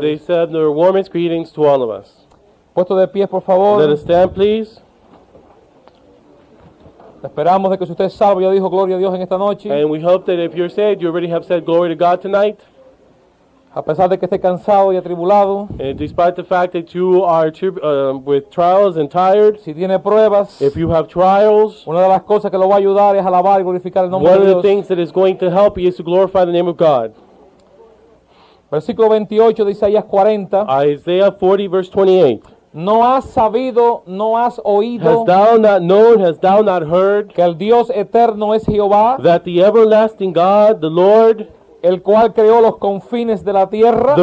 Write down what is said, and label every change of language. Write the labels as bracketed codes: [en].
[en] They send their warmest greetings to all of us. [es] Puesto de pie, por favor. [en] Let us stand, please. [es] Esperamos de que si usted es salvo, ya dijo gloria a Dios en esta noche. [en] And we hope that if you're saved, you already have said glory to God tonight. [es] A pesar de que esté cansado y atribulado, [en] and despite the fact that you are with trials and tired, [es] si tiene pruebas, [en] if you have trials, [es] una de las cosas que lo va a ayudar es alabar y glorificar el nombre de Dios. [en] One of the things that is going to help you is to glorify the name of God. [es] Versículo 28 de Isaías 40. [en] Isaiah 40 verse 28. [es] No has sabido, no has oído. [en] Has thou not known, has thou not heard? [es] Que el Dios eterno es Jehová. [en] That the everlasting God, the Lord, [es] el cual creó los confines de la tierra,